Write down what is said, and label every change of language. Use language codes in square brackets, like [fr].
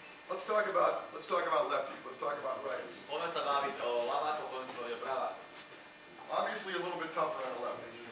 [en] Let's talk about lefties. Let's talk about righties. [sk] Poďme sa baviť o ľavákoch, poďme sa baviť o pravákoch. [en] Obviously a little bit tougher on a lefty.